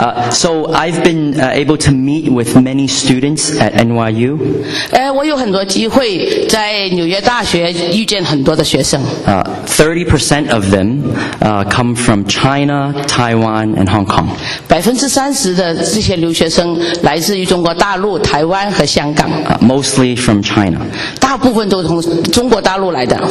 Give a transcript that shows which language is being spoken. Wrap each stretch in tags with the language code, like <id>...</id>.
<en>So I've been able to meet with many students at NYU.</en> <zh>我有很多机会在纽约大学遇见很多的学生。</zh> <en>30% of them come from China, Taiwan, and Hong Kong.</en> <zh>30%的这些留学生来自于中国大陆、台湾和香港。</zh> <en>Mostly from China.</en> <zh>大部分都是从中国大陆来的。</zh>